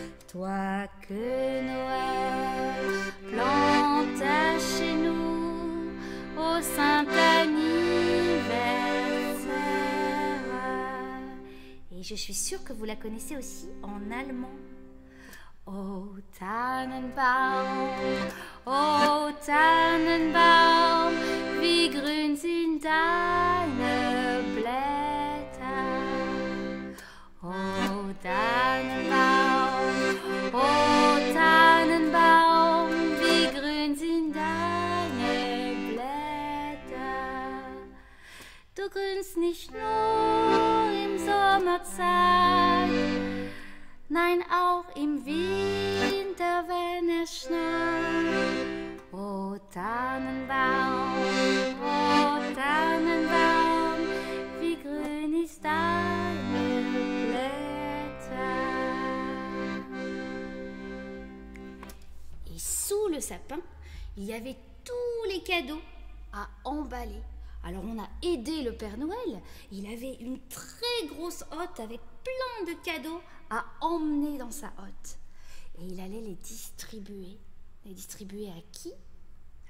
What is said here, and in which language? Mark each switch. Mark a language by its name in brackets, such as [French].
[French] Toi que Noël planta chez nous, au saint anniversaire. Et je suis sûre que vous la connaissez aussi en allemand. [German] Oh Tannenbaum, oh Tannenbaum, wie grün sind deine Blätter. Oh Tannenbaum, oh Tannenbaum, wie grün sind deine Blätter. Du grünst nicht nur im Sommerzeit, nein, auch im Winter, wenn es schneit. Oh Tannenbaum, oh Tannenbaum, wie grün ist deine Blätter. [French] Et sous le sapin, il y avait tous les cadeaux à emballer. Alors on a aidé le Père Noël, il avait une très grosse hotte avec plein de cadeaux à emmener dans sa hotte. Et il allait les distribuer. Les distribuer à qui ?